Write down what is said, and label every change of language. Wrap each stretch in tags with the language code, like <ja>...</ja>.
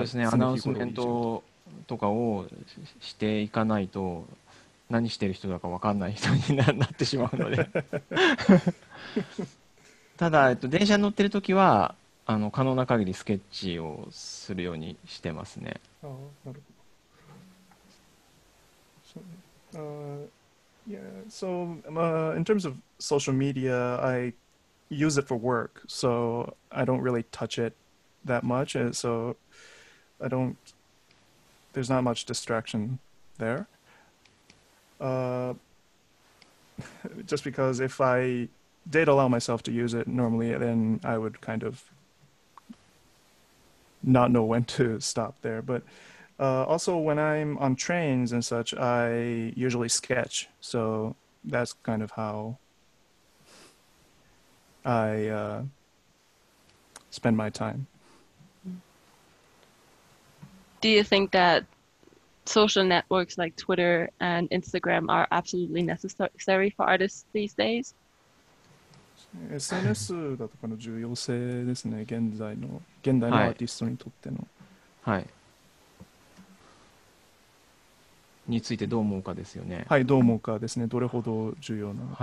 <ja>そうですね、アナウンスメントとかをしていかないと何してる人だか分かんない人になってしまうので。ただ、電車に乗ってるときは、あの可能な限りスケッチをするようにしてますね。ああ、なるほど。</ja> <en>So, yeah, so, in terms of social media, I use it for work, so I don't really touch it that much, so I don't, there's not much distraction there. Just because if I,did allow myself to use it normally, then I would kind of not know when to stop there. But also when I'm on trains and such, I usually sketch. So that's kind of how I spend my time. Do you think that social networks like Twitter and Instagram are absolutely necessary for artists these days?</en> <ja>SNS だとかの重要性ですね、現代のアーティストにとっての。はい。はい、についてどう思うかですよね。はい、どう思うかですね。どれほど重要なのか。</ja>